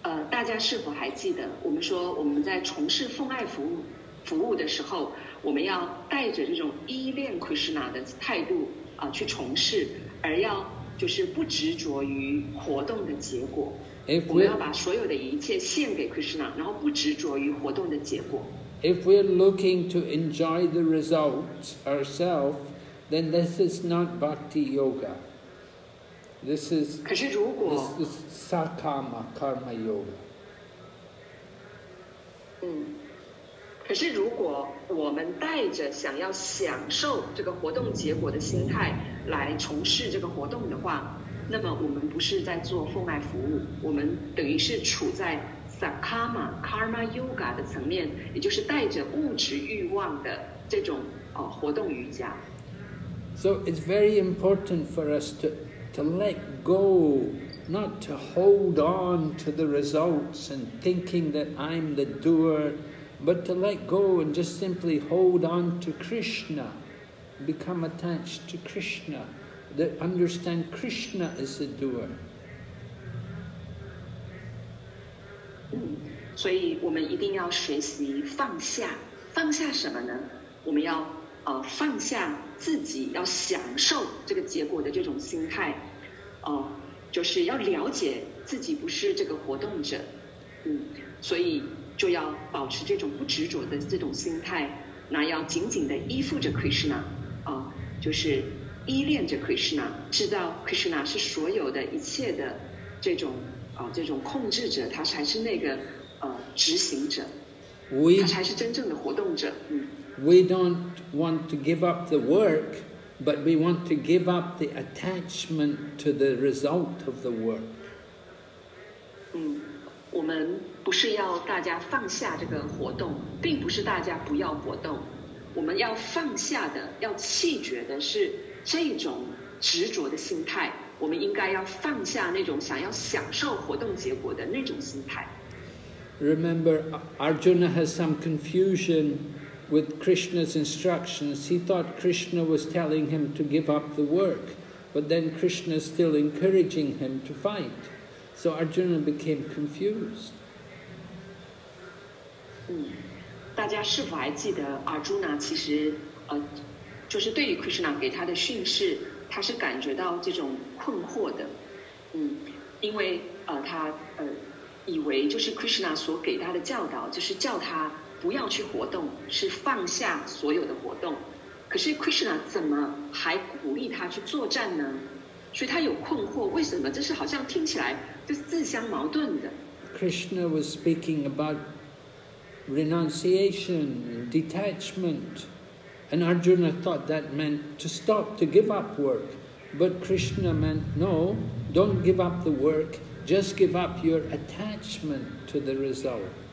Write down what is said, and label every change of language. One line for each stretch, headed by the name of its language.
Chinese: 大家是否还记得我们说我们在从事奉爱服务的时候，我们要带着这种依恋 Krishna 的态度去从事，而要就是不执着于活动的结果。
English: If we're,
Chinese: 我们要把所有的一切献给 Krishna， 然后不执着于活动的结果。
English: If we're looking to enjoy the result ourselves, then this is not bhakti yoga. This is,
Chinese: 可是如果
English: this is sakama karma yoga.
Chinese: 可是如果我们带着想要享受这个活动结果的心态来从事这个活动的话，那么我们不是在做奉爱服务，我们等于是处在 Sakama Karma Yoga 的层面，也就是带着物质欲望的这种活动瑜伽。
English: So it's very important for us to let go, not to hold on to the results and thinking that I'm the doer, but to let go and just simply hold on to Krishna, become attached to Krishna, that understand Krishna is the doer.
Chinese: 所以我们一定要学习放下，放下什么呢？我们要放下自己要享受这个结果的这种心态，就是要了解自己不是这个活动者，所以就要保持这种不执着的这种心态，那要紧紧地依附着 Krishna， 就是依恋着 Krishna， 知道 Krishna 是所有的一切的这种控制者，他才是那个执行者，他才是真正的活动者。
English: We don't want to give up the work, but we want to give up the attachment to the result of the work.
Chinese: 我们不是要大家放下这个活动，并不是大家不要活动，我们要放下的，要弃绝的是这种执着的心态，我们应该要放下那种想要享受活动结果的那种心态。
English: Remember, Arjuna has some confusion with Krishna's instructions. He thought Krishna was telling him to give up the work, but then Krishna is still encouraging him to fight. So Arjuna became confused.
Chinese: 大家是否还记得 Arjuna 其实就是对于 Krishna 给他的训示，他是感觉到这种困惑的。因为他以为就是 Krishna 所给他的教导，就是叫他不要去活动，是放下所有的活动。可是 Krishna 怎么还鼓励他去作战呢？所以他有困惑，为什么这是好像听起来就是自相矛盾的。
English: Krishna was speaking aboutrenunciation, detachment, and Arjuna thought that meant to stop, to give up work. But Krishna meant, no, don't give up the work, just give up your attachment to the result.